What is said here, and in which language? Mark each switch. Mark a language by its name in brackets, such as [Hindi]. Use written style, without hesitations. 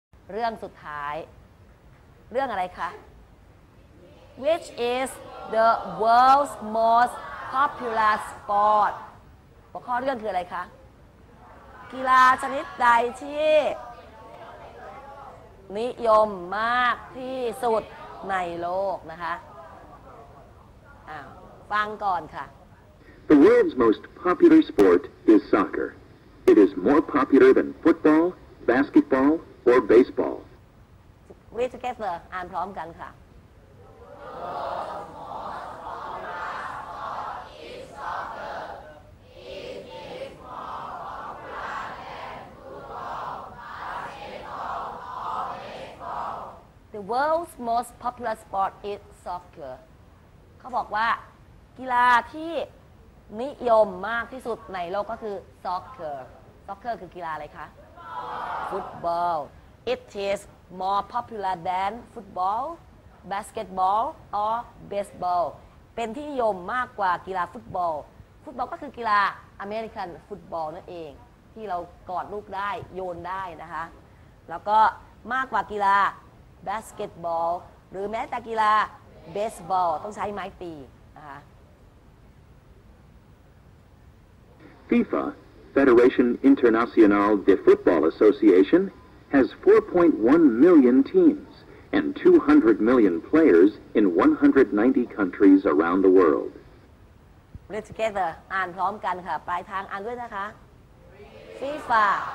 [Thai] เรื่องสุดท้ายเรื่องอะไรคะ [English] Which is the world's most popular sport [Thai] หัวข้อเรื่องคืออะไรคะกีฬาชนิดใดที่นิยมมากที่สุดในโลกนะคะฟังก่อนค่ะ [English] The world's most popular sport is soccer. It is more popular than football, basketball, or baseball. Read together. [Thai] อ่านพร้อมกันค่ะ [English] The world's most popular sport is soccer. [Thai] เขาบอกว่ากีฬาที่นิยมมากที่สุดในโลกก็คือ soccer. Soccer คือกีฬาอะไรคะ [English] Football. It is more popular than football, basketball, or baseball. [Thai] เป็นที่นิยมมากกว่ากีฬาฟุตบอลฟุตบอลก็คือกีฬาอเมริกันฟุตบอลนั่นเองที่เรากอดลูกได้โยนได้นะคะแล้วก็มากกว่ากีฬาบาสเกตบอลหรือแม้แต่กีฬาเบสบอลต้องใช้ไม้ตีนะคะ [English] FIFA Federation Internationale de Football Association has 4.1 million teams and 200 million players in 190 countries around the world. Read together [Thai] อ่านพร้อมกันค่ะปลายทางอ่านด้วยนะคะ [English] FIFA